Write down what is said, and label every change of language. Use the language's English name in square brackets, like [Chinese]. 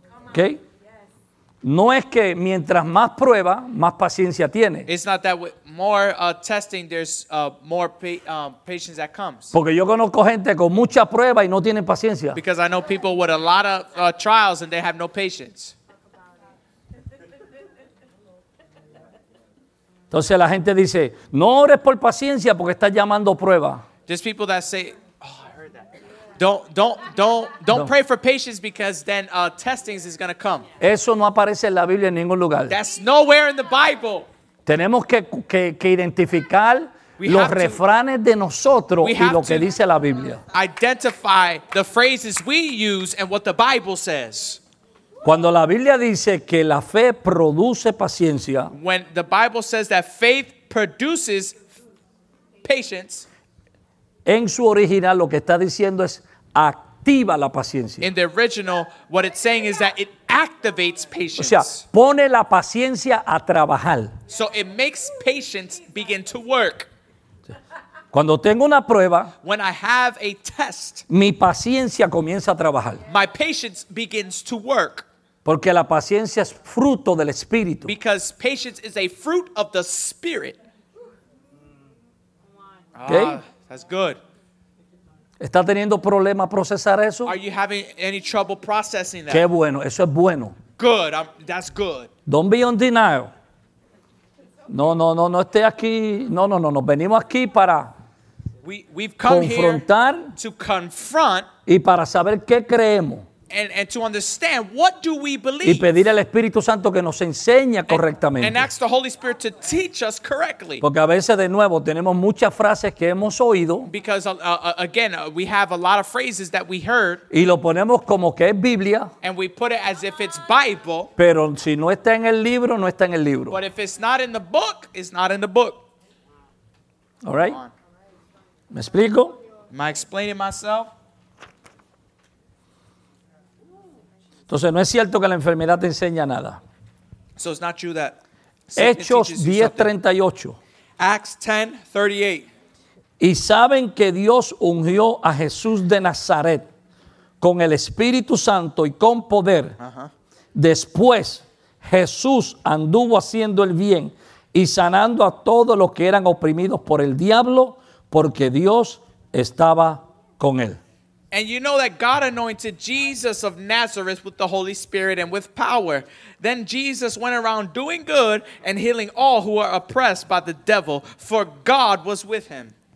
[English] Okay. [Spanish] No es que mientras más prueba, más paciencia tiene. [English] It's not that with more testing, there's more patience that comes. [Spanish] Porque yo conozco gente con mucha prueba y no tienen paciencia. [English] Because I know people with a lot of trials and they have no patience. [Spanish] Entonces la gente dice, no ores por paciencia porque estás llamando prueba. [English] There's people that say, oh, I heard that. Don't pray for patience because then testings is going to come. [Spanish] Eso no aparece en la Biblia en ningún lugar. [English] That's nowhere in the Bible. [Spanish] Tenemos que identificar los refranes de nosotros y lo que dice la Biblia. [English] Identify the phrases we use and what the Bible says. [Spanish] Cuando la Biblia dice que la fe produce paciencia, [English] when the Bible says that faith produces patience, [Spanish] en su original lo que está diciendo es activa la paciencia. [English] In the original, what it's saying is that it activates patience. [Spanish] O sea, pone la paciencia a trabajar. [English] So it makes patience begin to work. [Spanish] Cuando tengo una prueba, [English] when I have a test, [Spanish] mi paciencia comienza a trabajar. [English] My patience begins to work. [Spanish] Porque la paciencia es fruto del Espíritu. [English] Because patience is a fruit of the Spirit. Okay. That's good. [Spanish] ¿Está teniendo problema procesar eso? [English] Are you having any trouble processing that? [Spanish] Qué bueno, eso es bueno. [English] Good, that's good. Don't be in denial. [Spanish] No esté aquí. No. Venimos aquí para [English] we've come [Spanish] confrontar [English] here to confront [Spanish] y para saber qué creemos. [English] And to understand what do we believe. [Spanish] Y pedir al Espíritu Santo que nos enseñe correctamente. [English] And ask the Holy Spirit to teach us correctly. [Spanish] Porque a veces de nuevo tenemos muchas frases que hemos oído. [English] Because we have a lot of phrases that we heard. [Spanish] Y lo ponemos como que es Biblia. [English] And we put it as if it's Bible. [Spanish] Pero si no está en el libro, no está en el libro. [English] But if it's not in the book, it's not in the book. All right? [Spanish] ¿Me explico? [English] Am I explaining myself? [Spanish] Entonces no es cierto que la enfermedad te enseña nada. [English] So it's not true that [Spanish] Hechos 10:38. [English] Acts 10:38. [Spanish] Y saben que Dios ungió a Jesús de Nazaret con el Espíritu Santo y con poder. Uh-huh. Después Jesús anduvo haciendo el bien y sanando a todos los que eran oprimidos por el diablo porque Dios estaba con él. [English] And you know that God anointed Jesus of Nazareth with the Holy Spirit and with power. Then Jesus went around doing good and healing all who are oppressed by the devil, for God was with him.